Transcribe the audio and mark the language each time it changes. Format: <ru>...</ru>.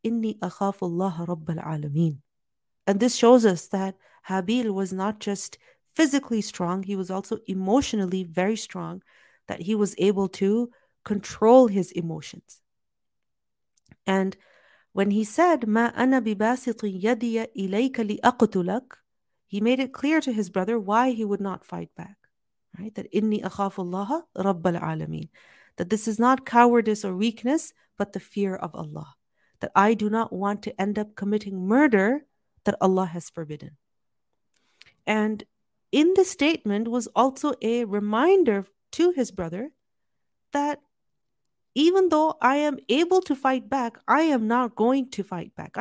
<ar>Inni akhafu Allah rabbal alameen.</ar> <en>And this shows us that Habil was not just physically strong, he was also emotionally very strong, that he was able to control his emotions. And when he said,</en> <ar>ما أنا بباسط يدي إليك لأقتلك,</ar> <en>he made it clear to his brother why he would not fight back. Right?</en> <ar>That إني أخاف الله رب العالمين.</ar> <en>That this is not cowardice or weakness, but the fear of Allah. That I do not want to end up committing murder that Allah has forbidden. And in the statement was also a reminder to his brother that even though I am able to fight back, I am not going to fight back.</en>